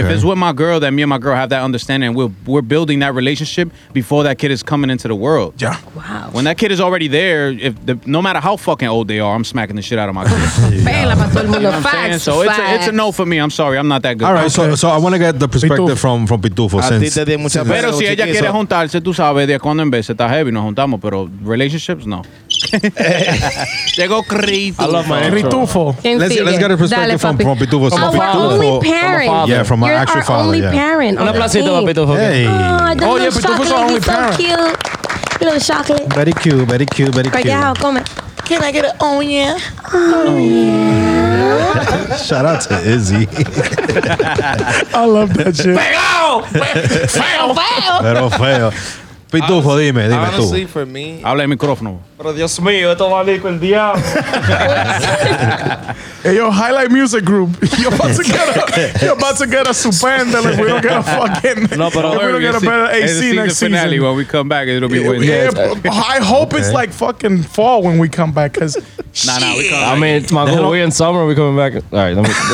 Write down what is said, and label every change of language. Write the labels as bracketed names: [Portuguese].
[English] If it's with my girl, then me and my girl have that understanding. And we're building that relationship before that kid is coming into the world. Yeah. Wow. When that kid is already there, no matter how fucking old they are, I'm smacking the shit out of my kids. Yeah. So it's a no for me. I'm sorry, I'm not that good. All right, okay. So I want to get the perspective Pitufo. from Pitufo. [Spanish] Pero si ella quiere juntarse, tú sabes, de cuando en vez está heavy, nos juntamos, pero relationships, no. Llegó Pitufo. [English] I love my intro. Pitufo. Let's get a perspective from Pitufo. Our only parent. From our actual father. Our only parent. [Spanish] Un aplausito a Pitufo. [English] Yeah, Pitufo's our only parent. So cute. Little chocolate. Very cute. Can I get an oh yeah? Oh yeah. Shout out to Izzy. I love that shit. [Spanish] Pero fail. Pitufo, dime [English] honestly, [Spanish] tú. [English] Honestly, for me. [Spanish] Habla el micrófono. Pero Dios mío, esto va a leer con el diablo. [English] Hey, yo, Highlight Music Group. You're about to get a suspended if we don't get a fucking... [Spanish] No, pero [English] if we don't get a better AC next season. It's the finale season. When we come back. It'll be winter. I hope it's like fucking fall when we come back, because... Nah, we come back. I mean, it's my goal. We in summer, we coming back. All right, let me...